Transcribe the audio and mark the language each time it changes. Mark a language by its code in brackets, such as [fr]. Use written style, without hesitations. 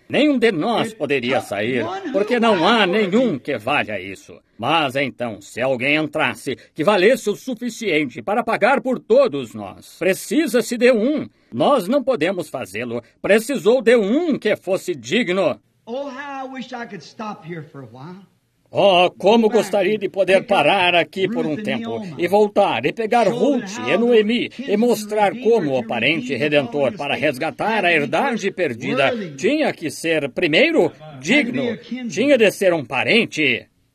[pt] Nenhum de nós poderia sair, porque não há nenhum que valha isso. Mas então, se alguém entrasse, que valesse o suficiente para pagar por todos nós, precisa-se de um. Nós não podemos fazê-lo. Precisou de um que fosse digno. [en] Oh, how I wish I could stop here for a while. [pt] Oh, como gostaria de poder parar aqui por um tempo e voltar e pegar Ruth e Noemi e mostrar como o parente redentor para resgatar a herdade perdida tinha que ser primeiro digno, tinha de ser um parente.